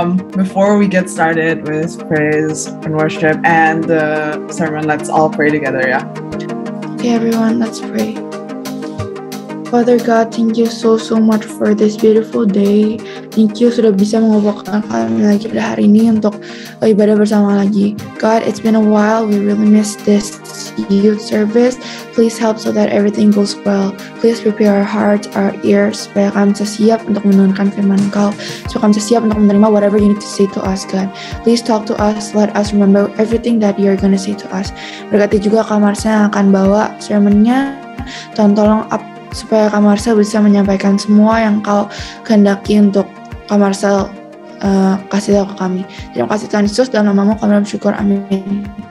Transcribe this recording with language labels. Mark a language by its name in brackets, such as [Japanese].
[English] Before we get started with praise and worship and the sermon, let's all pray together, yeah? Okay everyone, let's pray. Father God, thank you so much for this beautiful day. [Indonesian] Thank you sudah bisa mengobrolkan kami lagi pada hari ini untuk ibadah bersama lagi. [English] God, it's been a while, we really missed this youth service. Please help so that everything goes well. Please prepare our hearts, our ears, [Indonesian] supaya kami bisa siap untuk menurunkan firman Engkau, supaya kami bisa siap untuk menerima [English] whatever you need to say to us, God. Please talk to us, let us remember everything that you're gonna say to us. [Indonesian] Berkati juga Kak Marsha yang akan bawa sermonnya. Tuhan tolong up supaya Kak Marsha bisa menyampaikan semua yang Kau kehendaki untuk Kak Marsha kasih tahu ke kami. Terima kasih Tuhan Yesus, dalam namamu kami bersyukur, amin.